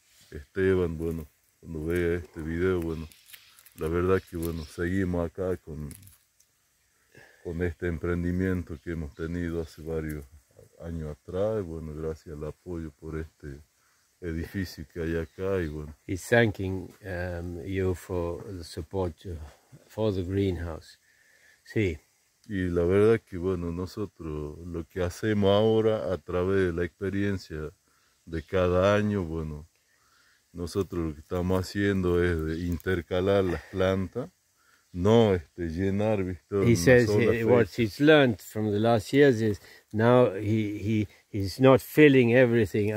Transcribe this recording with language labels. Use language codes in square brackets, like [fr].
[es] Esteban, bueno, cuando vea este video, bueno, la verdad que bueno, seguimos acá con este emprendimiento que hemos tenido hace varios años atrás. Bueno, gracias al apoyo por este edificio que hay acá y bueno. [en] He's thanking you for the support for the greenhouse. [es] Sí. Y la verdad que bueno, nosotros lo que hacemos ahora a través de la experiencia de cada año, bueno, nosotros lo que estamos haciendo es de intercalar las plantas, no llenar, ¿viste? [en] He says what he's learned from the last years is now he's not filling everything.